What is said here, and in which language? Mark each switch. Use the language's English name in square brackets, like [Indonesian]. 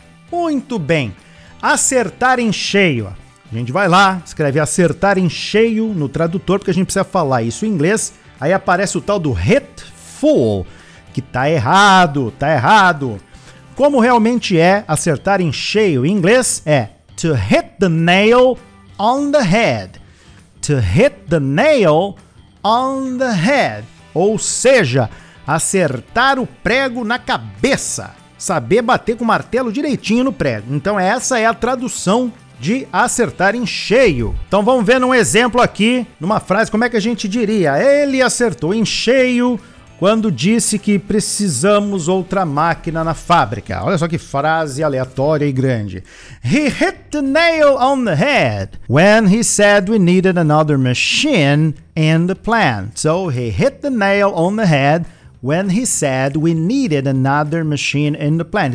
[Portuguese] Muito bem. Acertar em cheio. A gente vai lá, escreve acertar em cheio no tradutor, porque a gente precisa falar isso em inglês. Aí aparece o tal do hit full, que tá errado. Como realmente é acertar em cheio em inglês? [English] É to hit the nail on the head. To hit the nail on the head. [Portuguese] Ou seja, acertar o prego na cabeça. Saber bater com o martelo direitinho no prego. Então essa é a tradução de acertar em cheio. Então vamos ver num exemplo aqui, numa frase, como é que a gente diria? Ele acertou em cheio quando disse que precisamos outra máquina na fábrica. Olha só que frase aleatória e grande. [English] He hit the nail on the head when he said we needed another machine in the plant. So he hit the nail on the head when he said we needed another machine in the plant.